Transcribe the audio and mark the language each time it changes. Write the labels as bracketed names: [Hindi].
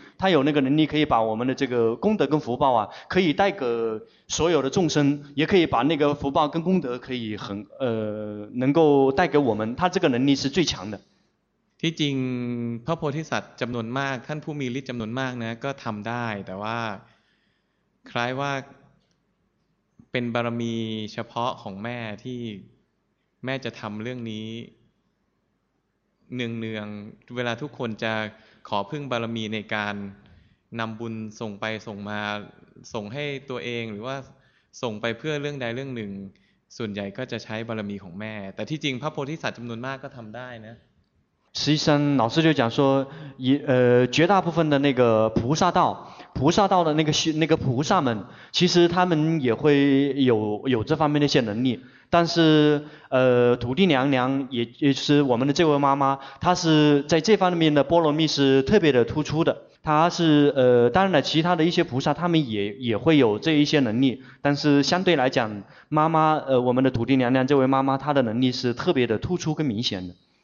[Chinese] 有那个能力，可以把我们的这个功德跟福报啊，可以带给所有的众生，也可以把那个福报跟功德可以能够带给我们，她这个能力是最强的。 [Thai] ที่จริงพระโพธิสัตว์จำนวนมากท่านผู้มีฤทธิ์จำนวนมากนะก็ทำได้แต่ว่าคล้ายว่าเป็นบารมีเฉพาะของแม่ที่แม่จะทำเรื่องนี้เนืองๆเวลาทุกคนจะขอพึ่งบารมีในการนำบุญส่งไปส่งมาส่งให้ตัวเองหรือว่าส่งไปเพื่อเรื่องใดเรื่องหนึ่งส่วนใหญ่ก็จะใช้บารมีของแม่แต่ที่จริงพระโพธิสัตว์จำนวนมากก็ทำได้นะ [Chinese] 实际上老师就讲说绝大部分的那个菩萨道的那个菩萨们，其实他们也会有这方面的一些能力，但是土地娘娘也就是我们的这位妈妈，她是在这方面的波罗蜜是特别的突出的，她是当然了，其他的一些菩萨他们也会有这一些能力，但是相对来讲妈妈我们的土地娘娘这位妈妈她的能力是特别的突出跟明显的。